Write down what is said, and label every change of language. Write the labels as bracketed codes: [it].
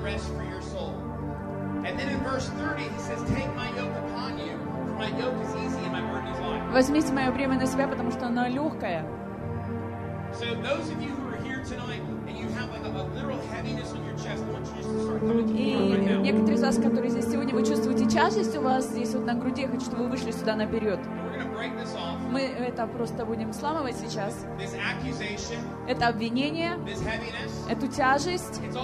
[en] And then in verse 30, he says, take my yoke upon you, for my yoke is easy and my burden is light. [ru] Возьмите мое бремя на себя, потому что оно легкое. [en] So those of you who are here tonight and you have like a literal heaviness on your chest, I want you just to start coming to me right now. [ru] Некоторые из вас, которые здесь сегодня, вы чувствуете тяжесть у вас здесь вот на груди, я хочу, чтобы вы вышли сюда наперед. Мы это просто будем сломывать сейчас. Это обвинение. Эту тяжесть.